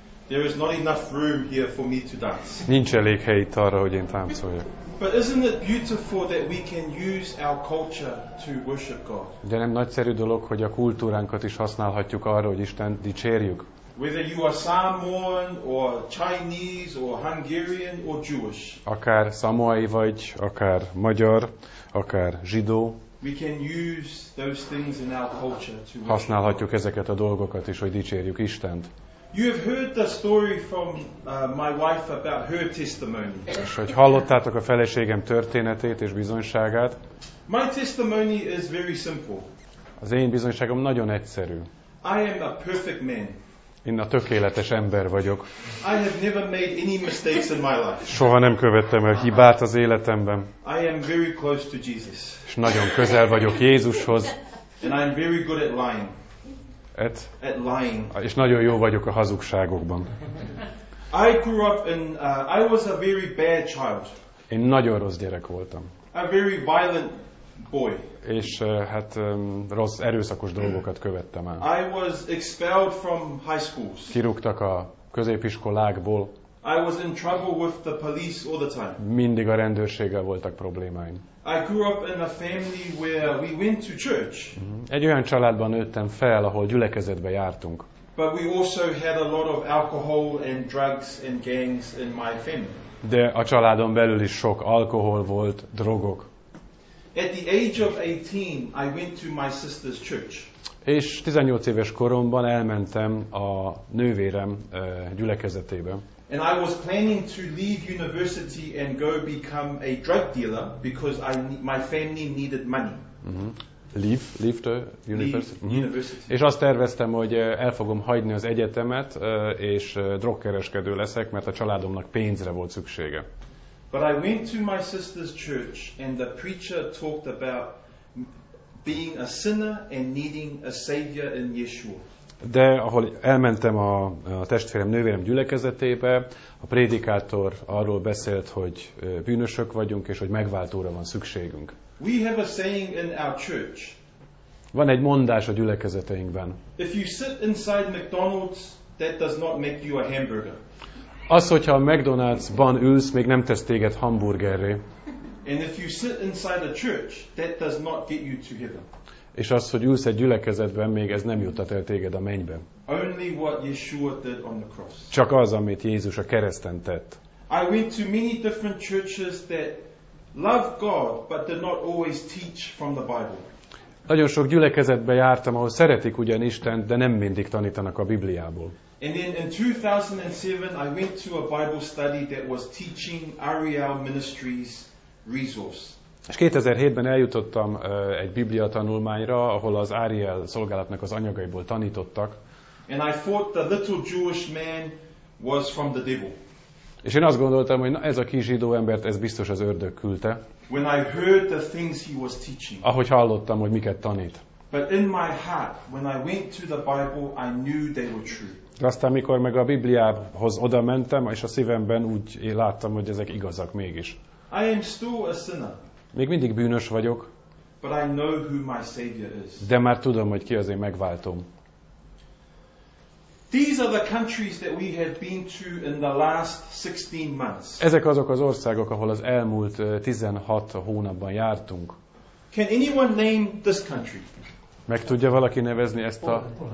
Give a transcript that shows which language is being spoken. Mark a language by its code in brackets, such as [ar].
[en] There is not enough room here for me to dance. [hu] Nincs elég hely itt arra, hogy én táncoljak. [en] But isn't it beautiful that we can use our culture to worship God? [hu] De nem nagyszerű dolog, hogy a kultúránkat is használhatjuk arra, hogy Isten dicsérjük. [en] Whether you are Samoan or Chinese or Hungarian or Jewish. [hu] Akár szamoai vagy, akár magyar, akár zsidó. [en] We can use those things in our culture to worship. [hu] Használhatjuk ezeket a dolgokat is, hogy dicsérjük Istent. [en] You have heard the story from my wife about her testimony. [hu] És hogy hallottátok a feleségem történetét és bizonyságát. [en] My testimony is very simple. [hu] Az én bizonyságom nagyon egyszerű. [en] I am a perfect man. [hu] Én a tökéletes ember vagyok. [en] I have never made any mistakes in my life. [hu] Soha nem követtem el hibát az életemben. [en] I am very close to Jesus. [hu] És nagyon közel vagyok Jézushoz. [en] And I am very good at lying. At lying. [hu] És nagyon jó vagyok a hazugságokban. [en] I grew up in I was a very bad child. [hu] Én nagyon rossz gyerek voltam. [en] A very violent boy. [hu] És hát rossz erőszakos dolgokat követtem el. [en] I was expelled from high schools. [hu] Kirúgtak a középiskolákból. [en] I was in trouble with the police all the time. [hu] Mindig a rendőrséggel voltak problémáim. [en] I grew up in a family where we went to church. [hu] Egy olyan családban nőttem fel, ahol gyülekezetbe jártunk. [en] But we also had a lot of alcohol and drugs and gangs in my family. [hu] De a családon belül is sok alkohol volt, drogok. [en] At the age of 18, I went to my sister's church. [hu] És 18 éves koromban elmentem a nővérem gyülekezetébe. [en] And I was planning to leave university and go become a drug dealer because my family needed money. Mm-hmm. Leave the university. Leave university. [hu] És azt terveztem, hogy el fogom hagyni az egyetemet, és drogkereskedő leszek, mert a családomnak pénzre volt szüksége. [en] But I went to my sister's church and the preacher talked about being a sinner and needing a savior in Yeshua. [hu] De ahol elmentem a testvérem, nővérem gyülekezetébe, a prédikátor arról beszélt, hogy bűnösök vagyunk, és hogy megváltóra van szükségünk. [en] We have a saying in our church. [hu] Van egy mondás a gyülekezeteinkben. [en] If you sit inside McDonald's, that does not make you a hamburger. [hu] Az, hogyha a McDonald's-ban ülsz, még nem tesz téged hamburgerré. [en] And if you sit inside a church, that does not get you to heaven. [hu] És az, hogy ülsz egy gyülekezetben, még ez nem juttat el téged a mennybe. [en] Only what Yeshua did on the cross. [hu] Csak az, amit Jézus a kereszten tett. [en] I went to many different churches that love God, but did not always teach from the Bible. [hu] Nagyon sok gyülekezetbe jártam, ahol szeretik ugyan Istent, de nem mindig tanítanak a Bibliából. [en] And then in 2007 I went to a Bible study that was teaching Ariel Ministries resource. [hu] És 2007-ben eljutottam egy Biblia tanulmányra, ahol az Ariel szolgálatnak az anyagaiból tanítottak. [en] And I thought the little Jewish man was from the devil. [hu] És én azt gondoltam, hogy na, ez a kis zsidó embert, ez biztos az ördög küldte. [en] When I heard the things he was teaching. [hu] Ahogy hallottam, hogy miket tanít. [en] But in my heart, when I went to the Bible, I knew they were true. [hu] De aztán, mikor meg a Bibliához oda mentem, és a szívemben úgy láttam, hogy ezek igazak mégis. [en] I am still a sinner. [hu] Még mindig bűnös vagyok. [en] But I know who my savior is. [hu] De már tudom, hogy ki az én megváltom. [en] These are the countries that we have been to in the last 16 months. [hu] Ezek azok az országok, ahol az elmúlt 16 hónapban jártunk. [en] Can anyone name this country? [hu] Meg tudja valaki nevezni ezt a